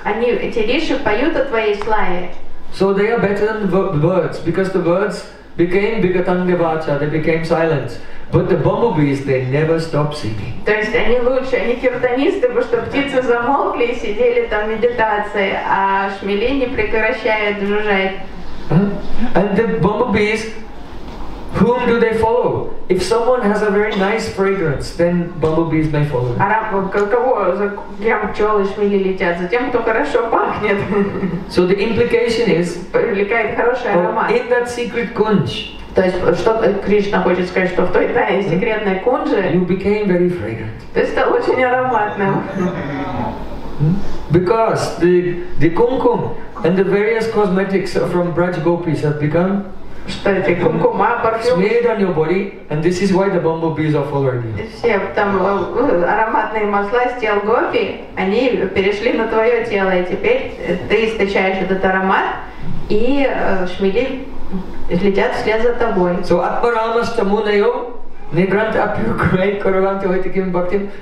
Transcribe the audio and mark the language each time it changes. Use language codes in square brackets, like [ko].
[ru] Они, эти риши, поют о твоей славе. [en] So they are better than the birds, because the birds became [sa] bigatanga vacha, [en] they became silent. But the bumblebees, they never stop singing. [ru] То есть они лучше, они киртанисты, потому что птицы замолкли и сидели там в медитации, а шмели не прекращают жужжать. [en] And the bumblebees, whom do they follow? If someone has a very nice fragrance, then bumblebees may follow. [ru] А кого за кем пчелы шмели летят? За тем, кто хорошо пахнет. [en] So the implication is, [ru] привлекает хороший аромат. [en] In that secret kunj. [ru] То есть что Кришна хочет сказать, что в той тайной секретной кунже. [en] You became very fragrant. [ru] Ты стал очень ароматным. [en] Because the kumkum and the various cosmetics from Braj Gopis have become. [ru] Что эти кумкума, парфюм? [en] Smeared on your body, and this is why the bumblebees are following you. [ru] Все там ароматные масла с тел гопи, они перешли на твое тело, и теперь ты источаешь этот аромат, и шмели летят вслед за тобой. [sa] So Atmaramas Tamunayo Nigranta Apyukrai Karavanti Vaitakim Bhaktim.